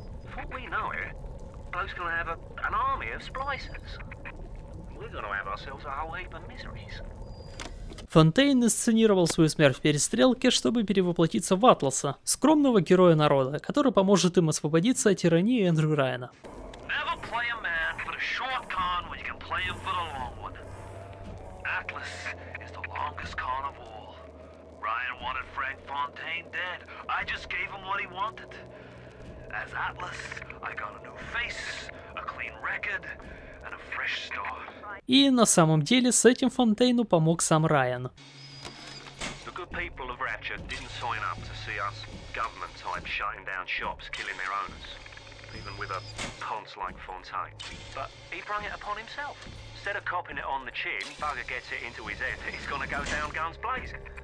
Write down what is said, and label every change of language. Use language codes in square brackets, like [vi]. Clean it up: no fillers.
[en] For what we know it, bloke's gonna have an army of splicers. We're gonna have ourselves a whole heap of miseries. [ru] Фонтейн инсценировал свою смерть в перестрелке, чтобы перевоплотиться в Атласа, скромного героя народа, который поможет им освободиться от тирании Эндрю Райана. [en] Never play a man for a short con when you can play him for the long one. Atlas is the longest con of all. Ryan wanted Frank Fontaine dead. I just gave him what he wanted. As Atlas, I got a new face, a clean record, and a fresh start. [ru] И на самом деле с этим Фонтейну помог сам Райан. [en] The good people of Rapture didn't sign up to see us government types shutting down shops, killing their owners. Even with a ponce like Fontaine. But he brung it upon himself. Instead of copping it on the chin, bugger gets it into his head that he's gonna go down guns blazing.